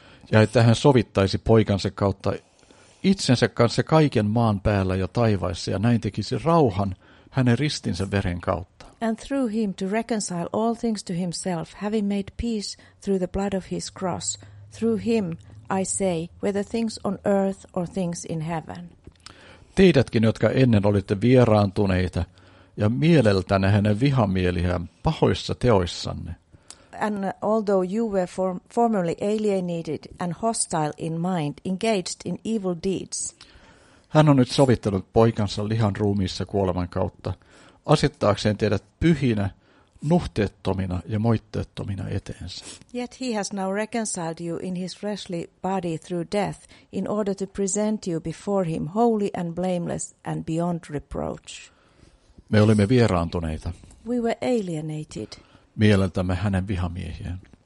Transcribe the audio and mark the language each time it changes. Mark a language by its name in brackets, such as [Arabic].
[Finnish] Ja että hän sovittaisi poikansa kautta itsensä kanssa kaiken maan päällä ja taivaissa ja näin tekisi rauhan hänen ristinsä veren kautta. [English] And through him to reconcile all things to himself, having made peace through the blood of his cross, through him I say, whether things on earth or things in heaven. [Finnish] Teidätkin, jotka ennen olitte vieraantuneita ja mieleltänne hänen vihamieliään pahoissa teoissanne. [English] And although you were formerly alienated and hostile in mind, engaged in evil deeds. [Finnish] Hän on nyt sovittanut poikansa lihan ruumiissa kuoleman kautta, asettaakseen teidät pyhinä, nuhteettomina ja moitteettomina eteensä. [English] Yet he has now reconciled you in his fleshly body through death in order to present you before him holy and blameless and beyond reproach. [Finnish] Me olimme vieraantuneita. [English] We were alienated. [Finnish] Mieleltämme hänen vihamiehiään.